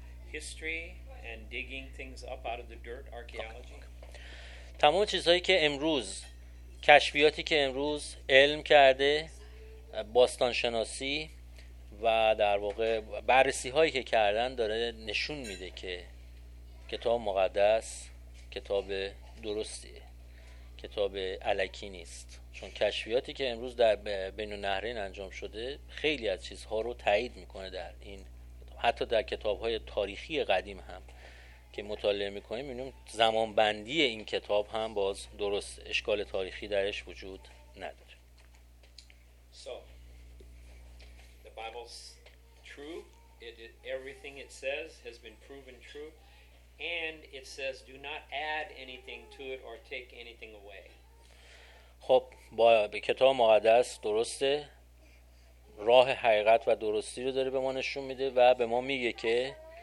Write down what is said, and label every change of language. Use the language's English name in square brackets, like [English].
[English] history and digging things up out of the dirt, archaeology. [Persian] تمام چیزهایی که امروز کشفیاتی که امروز علم کرده، باستانشناسی و در واقع بررسی‌هایی که کردن داره نشون میده که کتاب مقدس کتاب درستیه، کتاب الکی نیست. چون کشفیاتی که امروز در بین النهرین انجام شده خیلی از چیزها رو تایید میکنه در این، حتی در کتابهای تاریخی قدیم هم که مطالعه میکنیم میبینیم زمان بندی این کتاب هم باز درست، اشکال تاریخی درش وجود نداره. [English] So the Bible's true. Everything it says has been proven true, and it says do not add anything to it or take anything away. [Persian] خب با به کتاب مقدس درسته، راه حقیقت و درستی رو داره به ما نشون میده و به ما میگه که